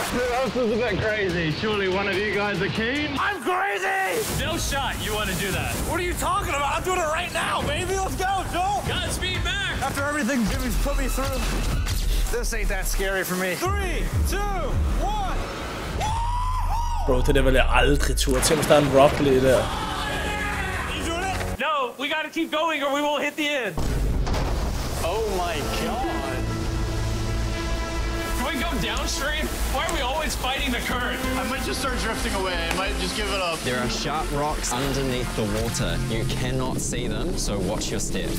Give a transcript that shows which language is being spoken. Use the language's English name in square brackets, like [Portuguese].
[English] This is a bit crazy. Surely one of you guys are keen? I'm crazy! No shot you want to do that. What are you talking about? I'm doing it right now, baby. Let's go, Joel. Godspeed, Mac. After everything Jimmy's put me through, this ain't that scary for me. 3, 2, 1. [Danish] Bro, det der vil jeg aldrig ture. Tænk, hvis der er en rock lige der. [English] You doing it? No, we gotta keep going or we won't hit the end. Oh my god. We go downstream? Why are we always fighting the current? I might just start drifting away. I might just give it up. There are sharp rocks underneath the water. You cannot see them, so watch your step.